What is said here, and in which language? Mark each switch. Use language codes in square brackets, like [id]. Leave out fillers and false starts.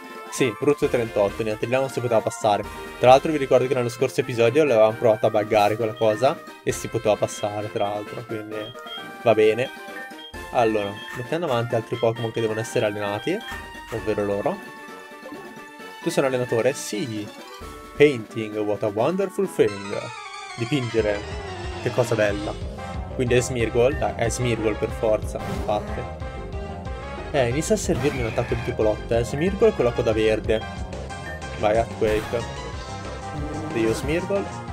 [it] Sì, Route 38, niente, là non si poteva passare. Tra l'altro vi ricordo che nello scorso episodio l'avevamo provato a buggare quella cosa e si poteva passare, tra l'altro, quindi va bene. Allora, mettiamo avanti altri Pokémon che devono essere allenati, ovvero loro. Tu sei un allenatore? Sì. [en] Painting, what a wonderful thing. [it] Dipingere, che cosa bella. Quindi è Smeargle, dai, è Smeargle per forza, infatti. Inizia a servirmi un attacco di tipo lotta. Smeargle con la coda verde. Vai, Earthquake. Dio Smeargle.